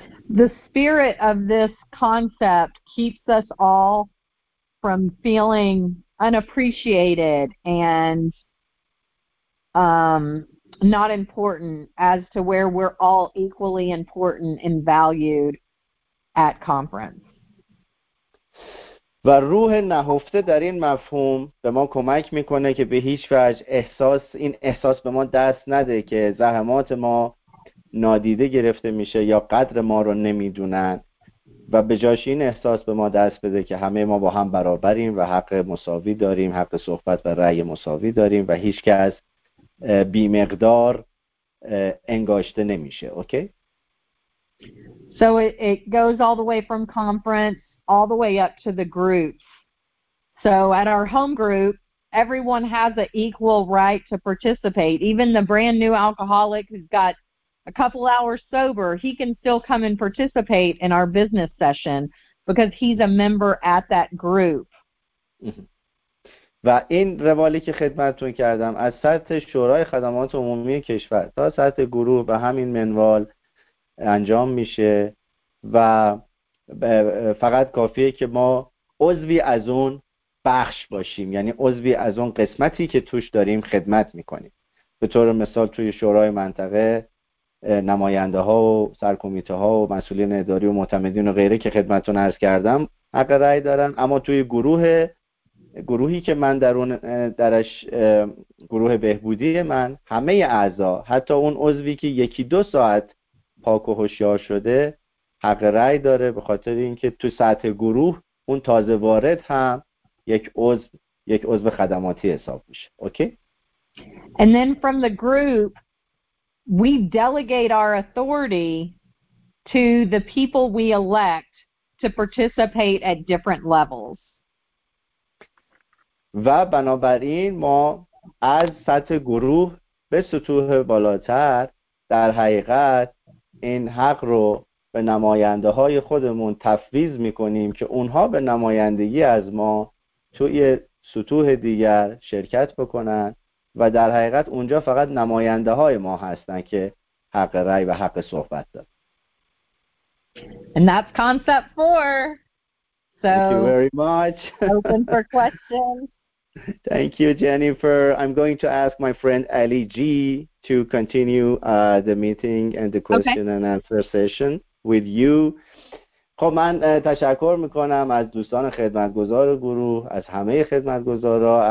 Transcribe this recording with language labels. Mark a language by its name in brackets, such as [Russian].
[English] The spirit of this concept keeps us all from feeling unappreciated and not important, as to where we're all equally important and valued at conference. [Persian] و روح نهفته در این مفهوم به ما کمک میکنه که به هیچ وجه احساس این احساس به ما دست نده که زحمات ما نادیده گرفته میشه یا قدر ما رو نمیدونن، و به جاش این احساس به ما دست بده که همه ما با هم برابریم و حق مساوی داریم، حق صحبت و رأی مساوی داریم و هیچ کس بی مقدار انگاشته نمیشه. اوکی؟ [English] So it goes all the way from conference all the way up to the groups. So at our home group, everyone has an equal right to participate. Even the brand new alcoholic who's got a couple hours sober, he can still come and participate in our business session because he's a member at that group. [Persian] و این روالی که خدمتتون کردم از سطح شورای خدمات عمومی کشور تا سطح گروه به همین منوال انجام میشه و فقط کافیه که ما عضوی از اون بخش باشیم، یعنی عضوی از اون قسمتی که توش داریم خدمت میکنیم. به طور مثال توی شورای منطقه نماینده ها و سرکمیته ها و مسئولین اداری و معتمدین و غیره که خدمتتون عرض کردم حق رأی دارن، اما توی گروهی که من درش گروه بهبودی من، همه اعضا، حتی اون عضوی که یکی دو ساعت پاک و هوشیار شده، حق رأی داره، به خاطر اینکه تو سطح گروه اون تازه وارد هم یک عضو خدماتی حساب میشه. اوکی؟ [English] And then from the group we delegate our authority to the people we elect to participate at different levels. [Persian] و بنابراین ما از سطح گروه به سطوح بالاتر در حقیقت این حق رو به نماینده های خودمون تفویض میکنیم که اونها به نمایندگی از ما توی سطوح دیگر شرکت بکنن، و در حقیقت اونجا فقط نماینده های ما هستن که حق رأی و حق صحبت دارن. [English] And that's concept four. So, thank you very much. Open for questions. Thank you, Jennifer. I'm going to ask my friend Ali G to continue the meeting and the question okay. and answer session with you. [Persian] خب من تشکر میکنم از دوستان خدمتگزار گروه، از همه خدمتگزارا.